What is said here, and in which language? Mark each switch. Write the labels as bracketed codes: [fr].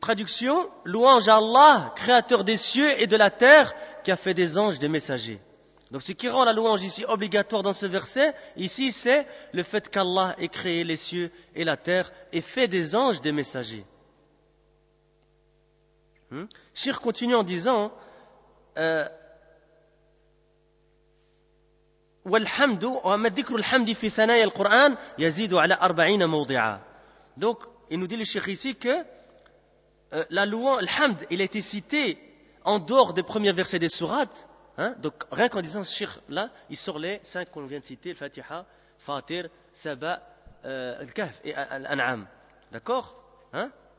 [fr] Traduction, louange à Allah, créateur des cieux et de la terre, qui a fait des anges des messagers. Donc ce qui rend la louange ici obligatoire dans ce verset, ici c'est le fait qu'Allah ait créé les cieux et la terre et fait des anges des messagers. Shir continue en disant, [ar] وَالْحَمْدُ وَمَدِّكْرُ الْحَمْدِ فِي ثَنَايَ الْقُرْآنِ يَزِيدُ عَلَىٰ أَرْبَعِينَ مَوْضِعًا. [fr] Donc il nous dit le Shir ici que la louange, l'hamd, il a été cité en dehors des premiers versets des sourates. Hein? Donc rien qu'en disant shir, là, il sort les cinq qu'on vient de citer, le Fatiha, Fatir, Saba, Al-Kahf et Al-An'am. D'accord ? Hein?